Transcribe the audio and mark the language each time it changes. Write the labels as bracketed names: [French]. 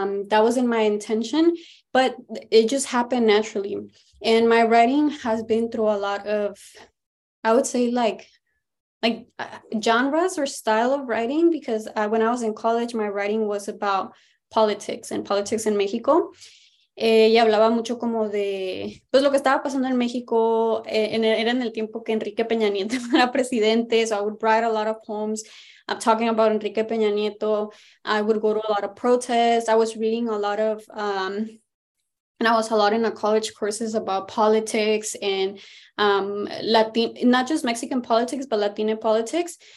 [English] That wasn't my intention, but it just happened naturally. And my writing has been through a lot of, I would say like genres or style of writing, because when I was in college, my writing was about politics in Mexico. [Spanish] Y hablaba mucho como de, pues lo que estaba pasando en México, era en el tiempo que Enrique Peña Nieto era presidente. [English] So I would write a lot of poems. I'm talking about Enrique Peña Nieto. I would go to a lot of protests. I was reading a lot of, and I was a lot in a college courses about politics and Latin, not just Mexican politics, but Latino politics.